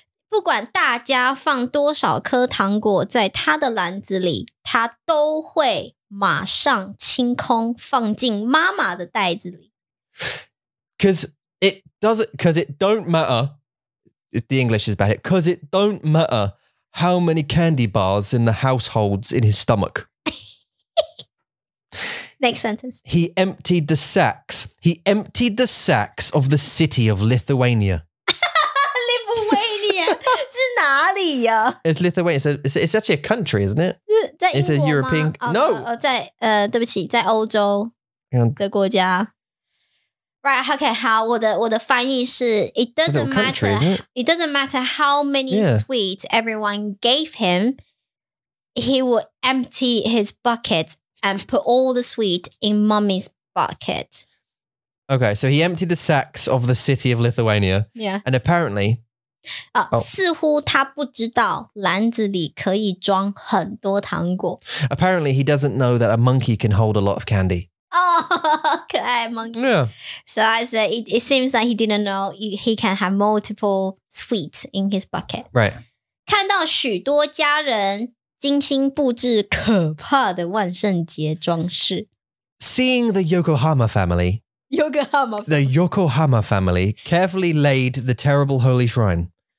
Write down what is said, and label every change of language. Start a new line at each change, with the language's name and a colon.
Chinese: 不管大家放多少颗糖果在他的篮子里,他都会马上清空放进妈妈的袋子里。
English: Because it don't matter, if the English is bad, because it don't matter how many candy bars in the households in his stomach. Next sentence. He emptied the sacks of the city of Lithuania.
Chinese: Lithuania? 是哪里呀?
English: It's Lithuania. It's actually a country, isn't it?
Chinese: 在英国吗?
English: It's a European... No!
Chinese: 在, 对不起,在欧洲的国家。
English: Right, okay,
Chinese: 好,我的翻译是
English: It doesn't matter how many sweets everyone gave him, he would empty his bucket and put all the sweets in mommy's bucket. Okay, so he emptied the sacks of the city of Lithuania. Yeah. And apparently...
Chinese: 似乎他不知道篮子里可以装很多糖果。
English: Apparently he doesn't know that a monkey can hold a lot of candy. Oh, 可爱 monkey. Yeah. So I said, it seems like he didn't know he can have multiple sweets in his bucket. Right.
Chinese: 看到许多家人精心布置可怕的万圣节装饰。
English: Seeing the Yokohama family carefully laid the terrible holy shrine.